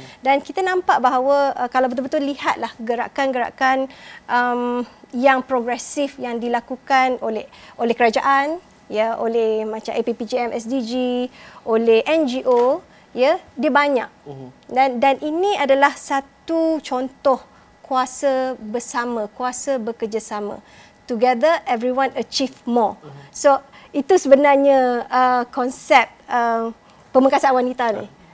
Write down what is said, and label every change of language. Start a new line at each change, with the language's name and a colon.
Malay: Dan kita nampak bahawa kalau betul-betul lihatlah gerakan-gerakan yang progresif yang dilakukan oleh kerajaan, ya, oleh macam APPGM SDG, oleh NGO, ya, dia banyak. Dan ini adalah satu contoh kuasa bersama, kuasa bekerjasama.
English: Together everyone achieve more.
Malay: So itu sebenarnya konsep pemerkasaan wanita ni.